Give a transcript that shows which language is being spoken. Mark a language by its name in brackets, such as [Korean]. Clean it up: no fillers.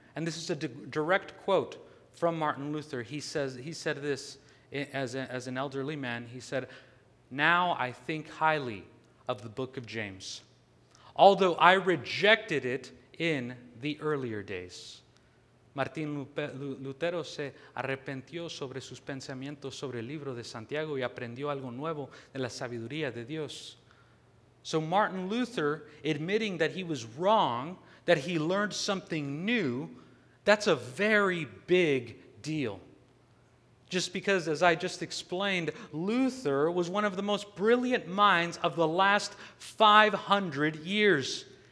[English] And this is a direct quote from Martin Luther. He said this as an elderly man. He said, "Now I think highly of the book of James, although I rejected it in the earlier days." [Spanish] Martín Lutero se arrepintió sobre sus pensamientos sobre el libro de Santiago y aprendió algo nuevo de la sabiduría de Dios. [English] So Martin Luther, admitting that he was wrong, that he learned something new, that's a very big deal. Just because, as I just explained, Luther was one of the most brilliant minds of the last 500 years.